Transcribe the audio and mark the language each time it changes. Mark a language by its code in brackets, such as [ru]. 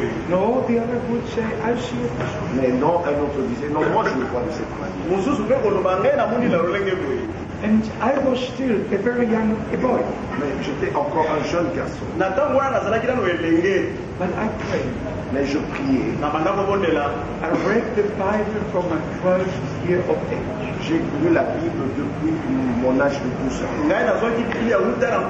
[en] No, the other would say, I see it. [fr] Mais non, un autre disait, non, moi je le vois de cette manière. [en] And I was still a very young boy. [fr] Mais j'étais encore un jeune garçon. [en] But I prayed. [fr] Mais je priais. [en] I read the Bible from my 12th year of age. [fr] J'ai lu la Bible depuis mon âge de 12 ans.